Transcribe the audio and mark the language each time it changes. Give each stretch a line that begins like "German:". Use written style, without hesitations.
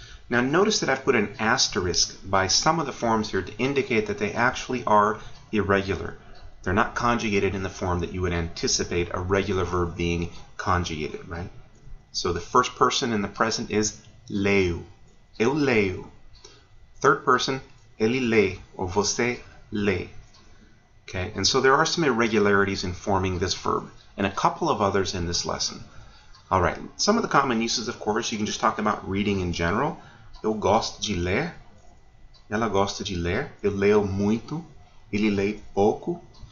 English: Now notice that I've put an asterisk by some of the forms here to indicate that they actually are irregular. They're not conjugated in the form that you would anticipate a regular verb being conjugated, right? So the first person in the present is leu.
Portuguese: Eu leu.
English: Third person,
Portuguese: ele lê,
English: or
Portuguese: você lê.
English: OK? Okay, and so there are some irregularities in forming this verb, and a couple of others in this lesson. All right, some of the common uses, of course, you can just talk about reading in general.
Portuguese: Eu gosto de ler. Ela gosta de ler. Eu leio muito. Ele lê pouco.